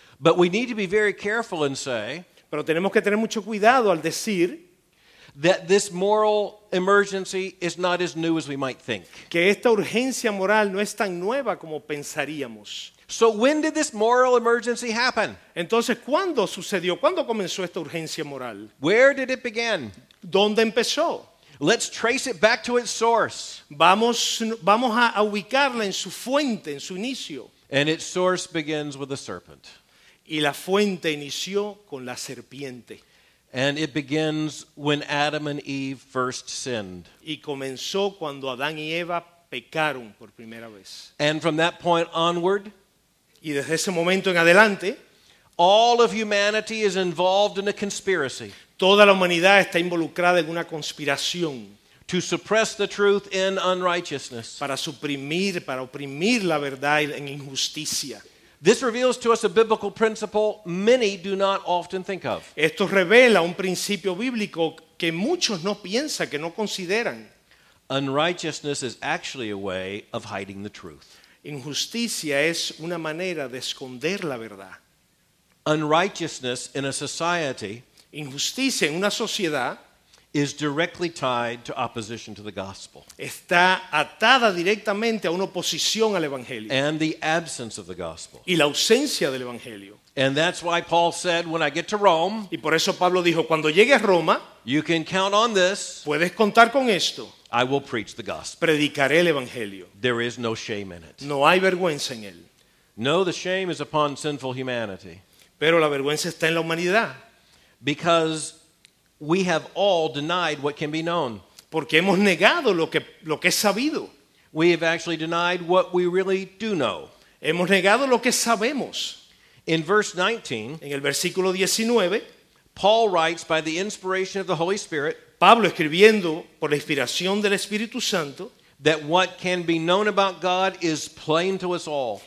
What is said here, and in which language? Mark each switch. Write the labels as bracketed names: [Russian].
[English] But we need to be very careful and say, [Spanish] pero tenemos que tener mucho cuidado al decir, [English] that this moral emergency is not as new as we might think. [Spanish] Que esta urgencia moral no es tan nueva como pensaríamos. [English] So when did this moral emergency happen? [Spanish] Entonces, ¿cuándo sucedió? ¿Cuándo comenzó esta urgencia moral? [English] Where did it begin? [Spanish] ¿Dónde empezó? [English] Let's trace it back to its source. [Spanish] Vamos a ubicarla en su fuente, en su inicio. [English] And its source begins with a serpent. [Spanish] Y la fuente inició con la serpiente. [English] And it begins when Adam and Eve first sinned. [Spanish] Y comenzó cuando Adán y Eva pecaron por primera vez. [English] And from that point onward, [Spanish] y desde ese momento en adelante, [English] all of humanity is involved in a conspiracy. [Spanish] Toda la humanidad está involucrada en una conspiración. [English] To suppress the truth in unrighteousness. [Spanish] Para oprimir la verdad en injusticia. [English] This reveals to us a biblical principle many do not often think of. [Spanish] Esto revela un principio bíblico que muchos no piensan, que no consideran. [English] Unrighteousness is actually a way of hiding the truth. [Spanish] Injusticia es una manera de esconder la verdad. [English] Unrighteousness in a society, [Spanish] injusticia en una sociedad, [English] is directly tied to opposition to the gospel. [Spanish] Está atada directamente a una oposición al evangelio. [English] And the absence of the gospel. [Spanish] Y la ausencia del evangelio. [English] And that's why Paul said, "When I get to Rome," [Spanish] y por eso Pablo dijo, cuando llegue a Roma, [English] "you can count on this." [Spanish] Puedes contar con esto. [English] "I will preach the gospel." [Spanish] Predicaré el evangelio. [English] There is no shame in it. [Spanish] No hay vergüenza en él. [English] No, the shame is upon sinful humanity. [Spanish] Pero la vergüenza está en la humanidad. [English] Because we have all denied what can be known. [Spanish] Porque hemos negado lo que es sabido. [English] We have actually denied what we really do know. [Spanish] Hemos negado lo que sabemos. [English] In verse 19, [Spanish] en el versículo 19, [English] Paul writes by the inspiration of the Holy Spirit, [Spanish] Pablo escribiendo por la inspiración del Espíritu Santo, [English] that what can be known about God is plain to us all.